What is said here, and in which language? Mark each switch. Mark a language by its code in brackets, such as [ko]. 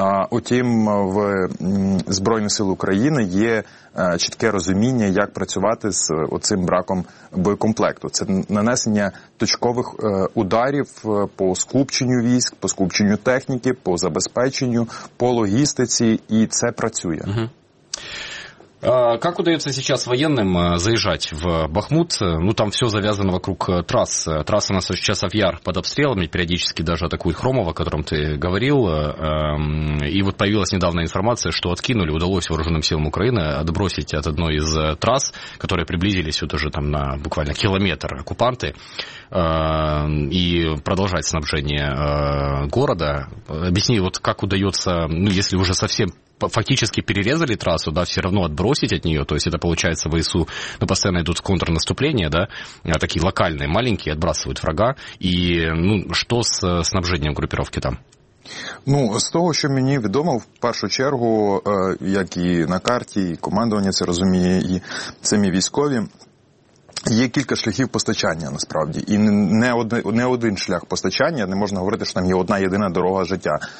[uk] Утім, в Збройних сил України є чітке розуміння, як працювати з оцим браком боєкомплекту. Це нанесення точкових ударів по скупченню військ, по скупченню техніки, по забезпеченню, по логістиці, і це працює. [ru] Как удается сейчас военным заезжать в Бахмут? Ну, там все завязано вокруг трасс. Трасса у нас сейчас Авьяр под обстрелами, периодически даже атакует Хромово, о котором ты говорил. И вот появилась недавно информация, что откинули, удалось вооруженным силам Украины отбросить от одной из трасс, которые приблизились вот уже там на буквально километр оккупанты, и продолжать снабжение города. Объясни, вот как удается, ну, если уже совсем фактически перерезали трассу, да, все равно отбросить от нее, то есть это получается ВСУ, ну, постоянно идут контрнаступления, да, такие локальные, маленькие, отбрасывают врага, и, ну, что с снабжением группировки там? [uk] Ну, з того, що мені відомо, в першу чергу, як і на карті, і командування це розуміє, і самі військові, Є кілька шляхів постачання, насправді. І не один шлях постачання, не можна говорити, що там є одна єдина дорога життя.